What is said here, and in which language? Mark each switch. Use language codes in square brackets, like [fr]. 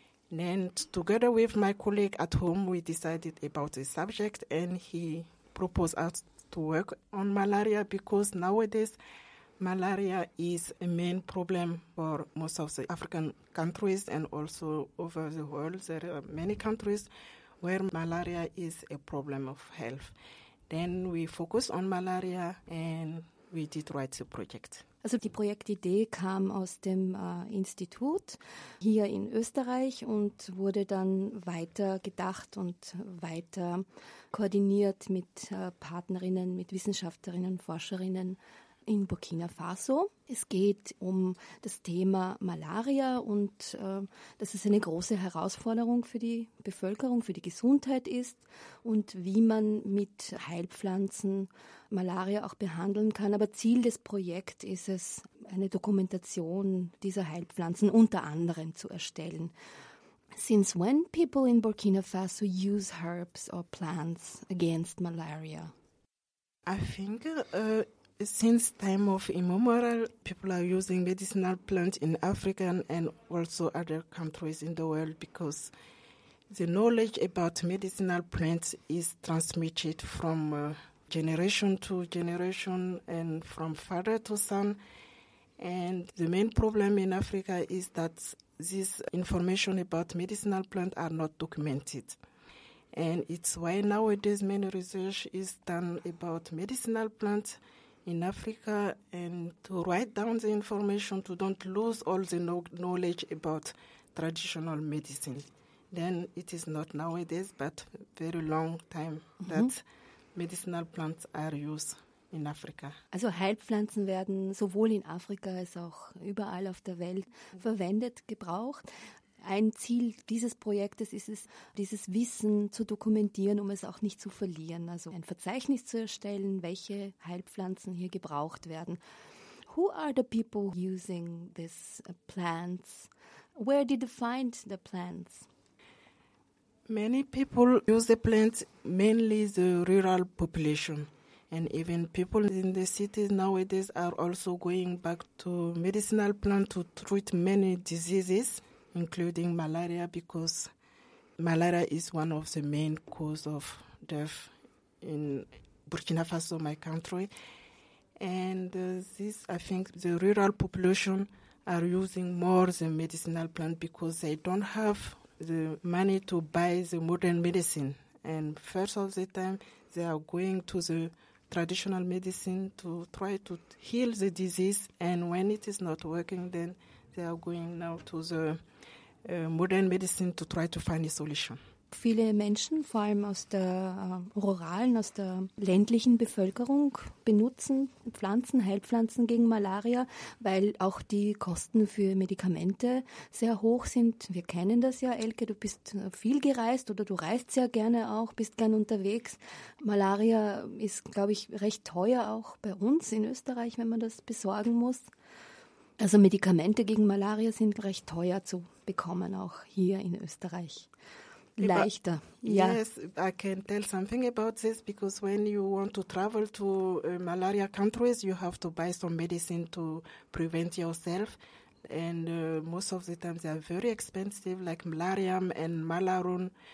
[en] Then together with my colleague at home, we decided about the subject, and he proposed us to work on malaria because nowadays malaria is a main problem for most of the African countries and also over the world. There are many countries where malaria is a problem of health. Then we focus on malaria and we did write the project. [de] Also die Projektidee kam aus dem Institut hier in Österreich und wurde dann weiter gedacht und weiter koordiniert mit Partnerinnen, mit Wissenschaftlerinnen, Forscherinnen in Burkina Faso. Es geht um das Thema Malaria und dass es eine große Herausforderung für die Bevölkerung, für die Gesundheit ist und wie man mit Heilpflanzen Malaria auch behandeln kann. Aber Ziel des Projekts ist es, eine Dokumentation dieser Heilpflanzen unter anderem zu erstellen. [en] Since when people in Burkina Faso use herbs or plants against malaria? I think since time of immemorial, people are using medicinal plants in Africa and also other countries in the world because the knowledge about medicinal plants is transmitted from generation to generation and from father to son. And the main problem in Africa is that this information about medicinal plants are not documented. And it's why nowadays many research is done about medicinal plants in Africa, and to write down the information to don't lose all the knowledge about traditional medicine. Then it is not nowadays, but very long time that medicinal plants are used in Africa. [de] Also Heilpflanzen werden sowohl in Afrika als auch überall auf der Welt verwendet, gebraucht. Ein Ziel dieses Projektes ist es, dieses Wissen zu dokumentieren, um es auch nicht zu verlieren. Also ein Verzeichnis zu erstellen, welche Heilpflanzen hier gebraucht werden. [en] Who are the people using these plants? Where did they find the plants? Many people use the plants, mainly the rural population. And even people in the cities nowadays are also going back to medicinal plants to treat many diseases, including malaria, because malaria is one of the main cause of death in Burkina Faso, my country. And this, I think the rural population are using more the medicinal plant because they don't have the money to buy the modern medicine. And first of the time, they are going to the traditional medicine to try to heal the disease. And when it is not working, then they are going now to the modern medicine to try to find a solution. [de] viele Menschen, vor allem aus der ruralen, aus der ländlichen Bevölkerung, benutzen Pflanzen, Heilpflanzen gegen Malaria, weil auch die Kosten für Medikamente sehr hoch sind. Wir kennen das ja, Elke, du bist viel gereist oder du reist sehr gerne auch, bist gern unterwegs. Malaria ist, glaube ich, recht teuer auch bei uns in Österreich, wenn man das besorgen muss. Also Medikamente gegen Malaria sind recht teuer zu bekommen, auch hier in Österreich. Leichter. [en] Yes, I can tell something about this, because when you want to travel to malaria countries, you have to buy some medicine to prevent yourself. And most of the time they are very expensive, like malarium and malarun.